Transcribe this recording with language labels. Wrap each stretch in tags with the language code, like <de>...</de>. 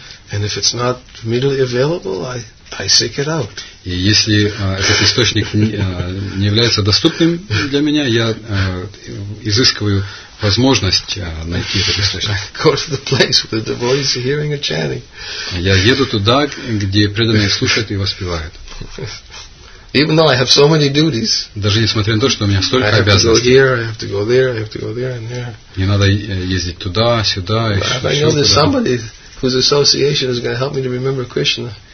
<en>And if it's not immediately available, I seek it out.</en> <ru>И если этот источник не является доступным для меня, я изыскиваю возможность найти этот источник.</ru> <en>I go to the place where the devotees are hearing and chanting.</en> <ru>Я еду туда, где преданные слушают и воспевают.</ru> <en>Even though I have so many duties,</en> <ru>даже несмотря на то, что у меня столько обязанностей,</ru> <en>I have to go there, I have to go there and there.</en> <ru>Мне надо ездить туда, сюда,</ru> <en>but</en> <ru>еще туда.</ru> <en>I know there's somebody whose association is going to help me to remember Krishna.</en>